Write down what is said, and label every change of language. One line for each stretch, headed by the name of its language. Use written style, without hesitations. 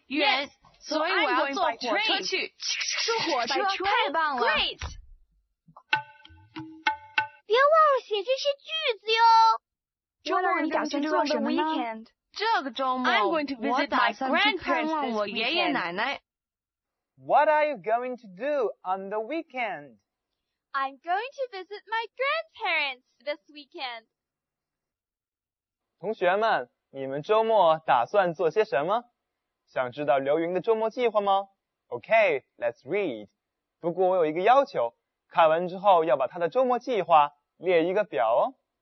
Chinese: 远，所以我要坐火车去。坐火车，太棒了！
English: Great!
Chinese: 别忘了写这些句子哟。周末你打算做什么呢？这个周末，我打算去看望我爷爷奶奶。
English: What are you going to do on the weekend? I'm going to visit my grandparents this weekend.
Chinese: 同学们，你们周末打算做些什么？想知道刘云的周末计划吗？
English: OK, let's read.
Chinese: 不过我有一个要求，看完之后要把他的周末计划列一个表哦。